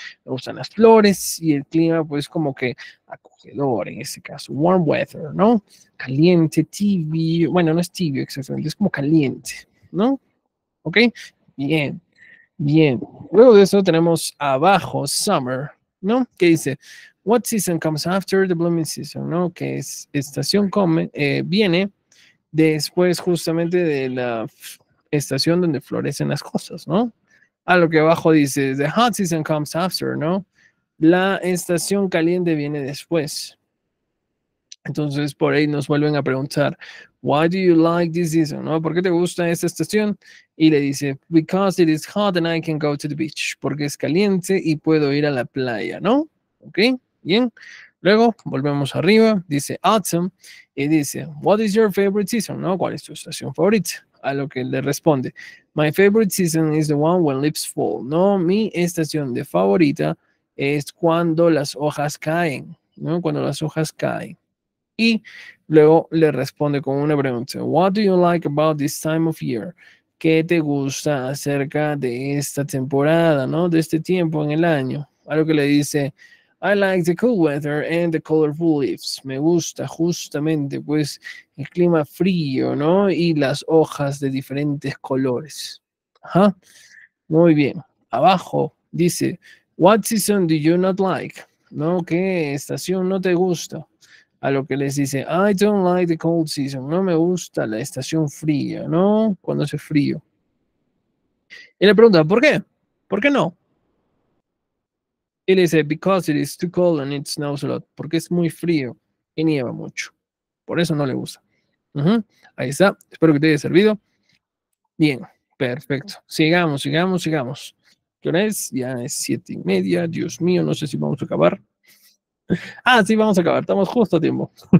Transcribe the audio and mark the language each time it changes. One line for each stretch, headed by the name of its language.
Spanish: Me gustan las flores y el clima, pues, como que acogedor, en este caso,
English: warm weather,
Spanish: ¿no? Caliente, tibio, bueno, no es tibio exactamente, es como caliente, ¿no? ¿Ok? Bien, bien. Luego de eso tenemos abajo, summer, ¿no? Que dice,
English: what season comes after the blooming season, ¿no?
Spanish: Que es estación viene después justamente de la estación donde florecen las cosas, ¿no? A lo que abajo dice,
English: the hot season comes after,
Spanish: ¿no? La estación caliente viene después. Entonces, por ahí nos vuelven a preguntar,
English: why do you like this season,
Spanish: ¿no? ¿Por qué te gusta esta estación? Y le dice,
English: because it is hot and I can go to the beach.
Spanish: Porque es caliente y puedo ir a la playa, ¿no? ¿Ok? Bien, luego volvemos arriba, dice autumn, y dice,
English: what is your favorite season,
Spanish: ¿no? ¿Cuál es tu estación favorita? A lo que le responde,
English: my favorite season is the one when leaves fall, ¿no?
Spanish: Mi estación de favorita es cuando las hojas caen, ¿no? Cuando las hojas caen. Y luego le responde con una pregunta,
English: what do you like about this time of year?
Spanish: ¿Qué te gusta acerca de esta temporada, ¿no? De este tiempo en el año. A lo que le dice,
English: I like the cool weather and the colorful leaves.
Spanish: Me gusta justamente, pues, el clima frío, ¿no? Y las hojas de diferentes colores. Ajá. Muy bien. Abajo dice,
English: what season do you not like?
Spanish: ¿No? ¿Qué estación no te gusta? A lo que les dice,
English: I don't like the cold season.
Spanish: No me gusta la estación fría, ¿no? Cuando hace frío. Y le pregunta, ¿por qué? ¿Por qué no?
English: It is because it is too cold and it snows a lot.
Spanish: Porque es muy frío y nieva mucho. Por eso no le gusta. Uh-huh. Ahí está. Espero que te haya servido. Bien, perfecto. Sigamos. ¿Qué hora es? Ya es 7:30. Dios mío, no sé si vamos a acabar. Ah, sí, vamos a acabar. Estamos justo a tiempo.